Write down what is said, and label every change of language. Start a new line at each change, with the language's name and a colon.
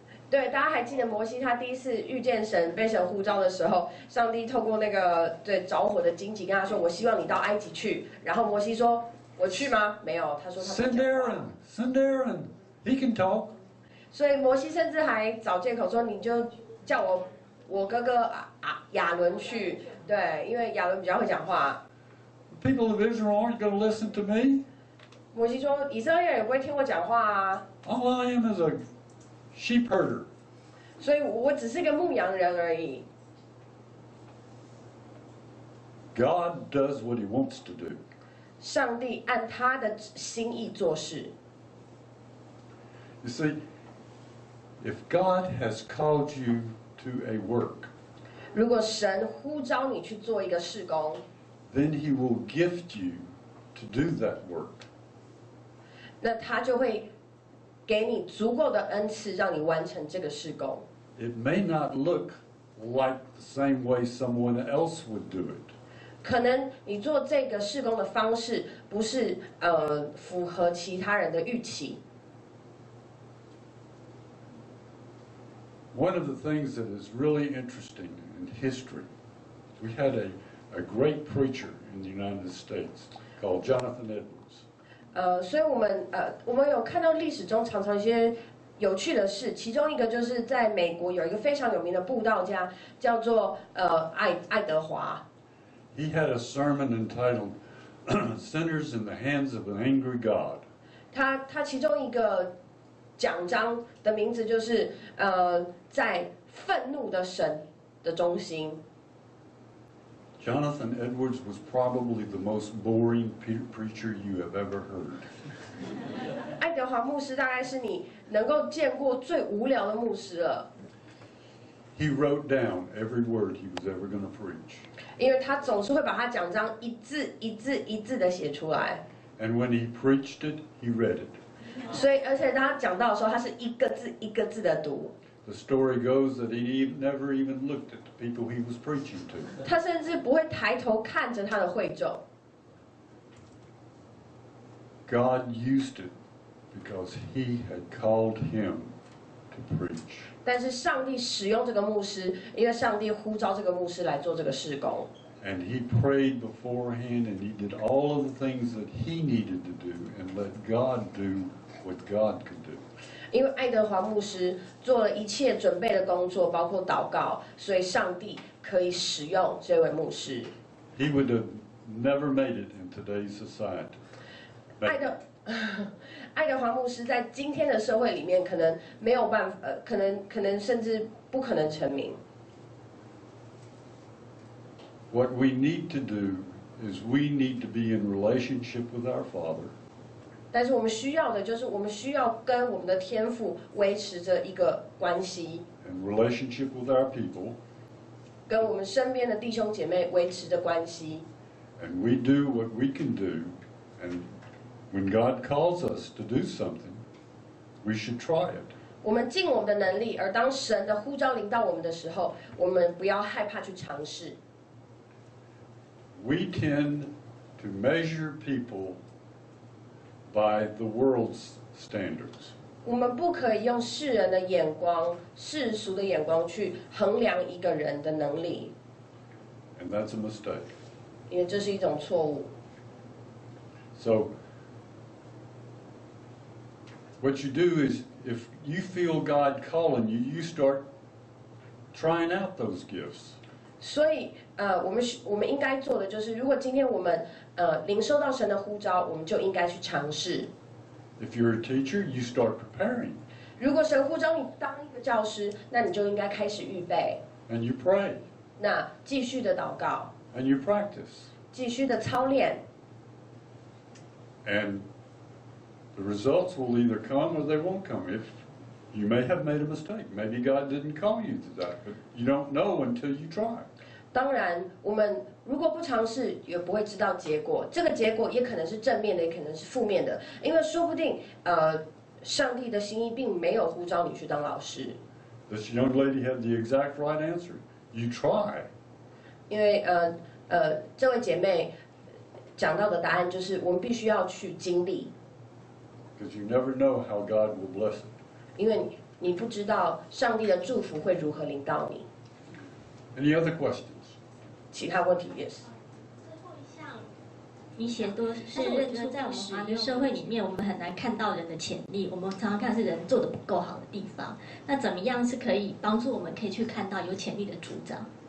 Chinese: 对，大家还记得摩西他第一次遇见神，被神呼召的时候，上帝透过那个对着火的荆棘跟他说，我希望你到埃及去。然后摩西说，我去吗？没有，他说他不讲话。
English: Send Aaron, he can talk.
Chinese: 所以摩西甚至还找借口说，你就叫我哥哥亚伦去，对，因为亚伦比较会讲话。
English: People of Israel aren't going to listen to me.
Chinese: 摩西说，以色列人也不会听我讲话啊。
English: All I am is a sheep herder.
Chinese: 所以我只是个牧羊人而已。
English: God does what he wants to do.
Chinese: 上帝按他的心意做事。
English: You see, if God has called you to a work,
Chinese: 如果神呼召你去做一个事工，
English: then he will gift you to do that work.
Chinese: 那他就会给你足够的恩赐，让你完成这个事工。
English: It may not look like the same way someone else would do it.
Chinese: 可能你做这个事工的方式不是符合其他人的预期。
English: One of the things that is really interesting in history, we had a great preacher in the United States called Jonathan Edwards.
Chinese: 所以我们有看到历史中常常一些有趣的事，其中一个就是在美国有一个非常有名的布道家叫做爱德华。
English: He had a sermon entitled "Sinners in the Hands of an Angry God."
Chinese: 他其中一个讲章的名字就是在愤怒的神的中心。
English: Jonathan Edwards was probably the most boring preacher you have ever heard.
Chinese: 爱德华牧师大概是你能够见过最无聊的牧师了。
English: He wrote down every word he was ever going to preach.
Chinese: 因为他总是会把他讲章一字一字一字的写出来。
English: And when he preached it, he read it.
Chinese: 所以而且当他讲到的时候，他是一个字一个字的读。
English: The story goes that he never even looked at the people he was preaching to.
Chinese: 他甚至不会抬头看着他的会众。
English: God used it because he had called him to preach.
Chinese: 但是上帝使用这个牧师，因为上帝呼召这个牧师来做这个事工。
English: And he prayed beforehand and he did all of the things that he needed to do and let God do what God could do.
Chinese: 因为爱德华牧师做了一切准备的工作，包括祷告，所以上帝可以使用这位牧师。
English: He would have never made it in today's society.
Chinese: 爱德华牧师在今天的社会里面可能没有办法，可能甚至不可能成名。
English: What we need to do is we need to be in relationship with our Father.
Chinese: 但是我们需要的就是我们需要跟我们的天父维持着一个关系。
English: And relationship with our people.
Chinese: 跟我们身边的弟兄姐妹维持着关系。
English: And we do what we can do, and when God calls us to do something, we should try it.
Chinese: 我们尽我们的能力，而当神的呼召临到我们的时候，我们不要害怕去尝试。
English: We tend to measure people by the world's standards.
Chinese: 我们不可以用世人的眼光、世俗的眼光去衡量一个人的能力。
English: And that's a mistake.
Chinese: 因为这是一种错误。
English: So, what you do is, if you feel God calling you, you start trying out those gifts.
Chinese: 所以我们应该做的就是，如果今天我们领受到神的呼召，我们就应该去尝试。
English: If you're a teacher, you start preparing.
Chinese: 如果神呼召你当一个教师，那你就应该开始预备。
English: And you pray.
Chinese: 那继续的祷告。
English: And you practice.
Chinese: 继续的操练。
English: And the results will either come or they won't come. IfYou may have made a mistake. Maybe God didn't call you to that, but you don't know until you try.
Chinese: 当然，我们如果不尝试，也不会知道结果。这个结果也可能是正面的，也可能是负面的，因为说不定上帝的心意并没有呼召你去当老师。
English: This young lady had the exact right answer. You try.
Chinese: 因为这位姐妹讲到的答案就是我们必须要去经历。
English: Because you never know how God will bless you.
Chinese: 因为你不知道上帝的祝福会如何临到你。
English: Any other questions?
Chinese: 其他问题
English: yes.
Chinese: 你写多是认出在我们华人社会里面，我们很难看到人的潜力。我们常常看是人做得不够好的地方。那怎么样是可以帮助我们可以去看到有潜力的主张？